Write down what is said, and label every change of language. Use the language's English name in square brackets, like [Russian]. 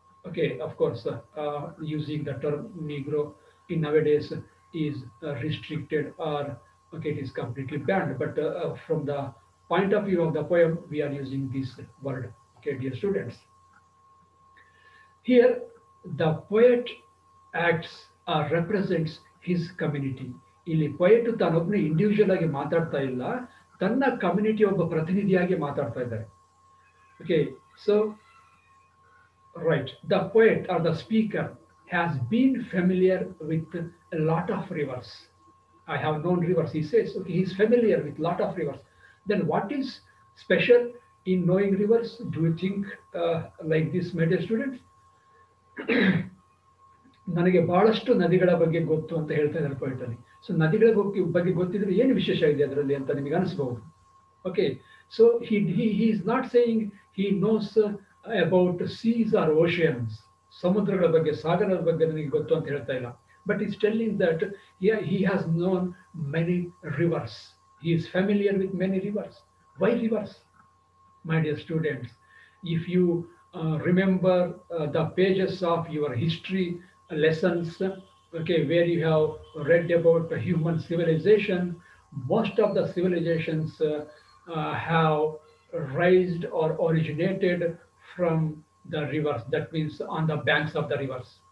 [English] Okay, of course, using the term Negro in nowadays is restricted or okay, it is completely banned. But from the point of view of the poem, we are using this word, okay, dear students. Here the poet acts or represents his community. [Kannada] ಇಲ್ಲಿ ಪೊಯೆಟು ತಾನೊಬ್ಬನ individual ಆಗಿ ಮಾತಾಡ್ತಾ ಇಲ್ಲ, ತನ್ನ community ಒಬ್ಬ ಪ್ರತಿನಿಧಿಯಾಗಿ ಮಾತಾಡ್ತಾ ಇದ್ದಾರೆ. [English] Okay, so right, the poet or the speaker has been familiar with lot of rivers. I have known rivers, he says. Okay, he is familiar with lot of rivers. Then what is special in knowing rivers? Do you think like this, my dear students? [Kannada] ನನಗೆ ಬಹಳಷ್ಟು ನದಿಗಳ ಬಗ್ಗೆ ಗೊತ್ತು ಅಂತ ಹೇಳ್ತಾ ಇದ್ದಾರೆ ಪೊಯೆಟಲ್ಲಿ. So ನದಿಗಳ ಬಗ್ಗೆ ಗೊತ್ತಿದ್ರೆ ಏನು ವಿಶೇಷ ಇದೆ ಅದರಲ್ಲಿ ಅಂತ ನಿಮಗೆ ಅನಿಸ್ಬಹುದು. [English] okay, so he is not saying he knows about seas or oceans, [Kannada] ಸಮುದ್ರಗಳ ಬಗ್ಗೆ, ಸಾಗರದ ಬಗ್ಗೆ ನನಗೆ ಗೊತ್ತು ಅಂತ ಹೇಳ್ತಾ ಇಲ್ಲ. [English] But is telling that he has known many rivers, he is familiar with many rivers. Why rivers? My dear students, if you remember the pages of your history lessons, okay, where you have read about the human civilization, most of the civilizations have raised or originated from the rivers, that means on the banks of the rivers.